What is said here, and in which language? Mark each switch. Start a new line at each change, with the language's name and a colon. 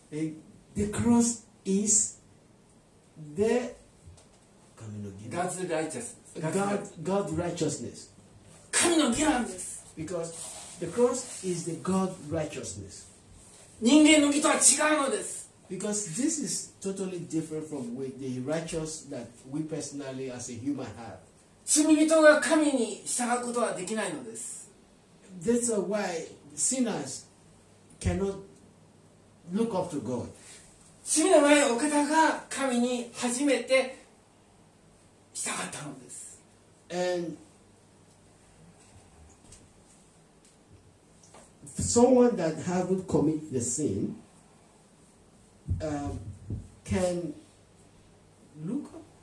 English: The cross is the
Japanese: 神の義。
English: God's righteousness. God righteousness.
Japanese: 神の義なんです。
English: Because the cross is the God righteousness.
Japanese: 人間の義とは違うのです。
English: Because this is totally different from the righteous that we personally as a human have.
Japanese: 罪人が神に従うことはできないのです。
English: That's why sinners cannot look up to God.
Japanese: 罪のないお方が神に初めて従ったのです。
English: And someone that hasn't committed the sin,can look up?